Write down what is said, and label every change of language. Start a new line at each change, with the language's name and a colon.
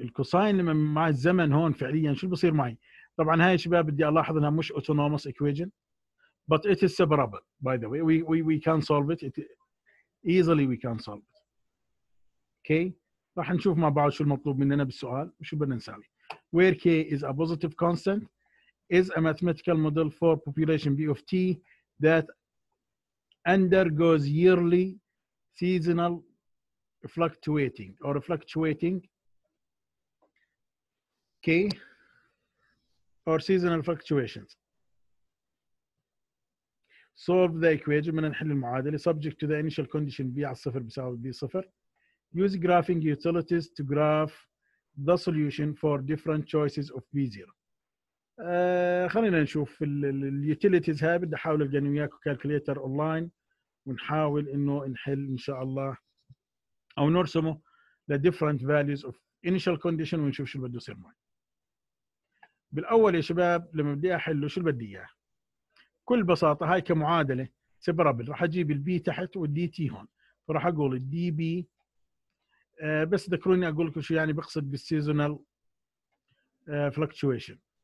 Arabic: الكوساين لما مع الزمن هون فعليا شو بصير معي؟ طبعا هاي شباب بدي الاحظ انها مش اوتونومس اكويجن،
English: but it is separable by the way. We can solve it. Easily we can solve it. Okay.
Arabic: راح نشوف مع بعض شو المطلوب مننا بالسؤال وشو بدنا نسوي.
English: Where k is a positive constant is a mathematical model for population b of t that undergoes yearly seasonal fluctuating or fluctuating k or seasonal fluctuations. Solve the equation.
Arabic: من نحل المعادلة.
English: Subject to the initial condition b
Arabic: على صفر بساوي
English: b صفر. Use graphing utilities to graph the solution for different choices of b zero.
Arabic: خلينا نشوف ال utilities هاي. بدي أحاول أجني وياكم كالكوليتر أونلاين ونحاول إنه نحل إن شاء الله أو نرسمه
English: the different values of initial condition
Arabic: ونشوف شو بده يصير معي. بالأول يا شباب لما بدي أحله شو بدي إياه؟ كل بساطة هاي كمعادلة سيبرابل، راح أجيب البي تحت والدي تي هون، فراح أقول الدي بي بس ذكروني أقول لكم شو يعني بقصد بالسيزونال فلكتويشن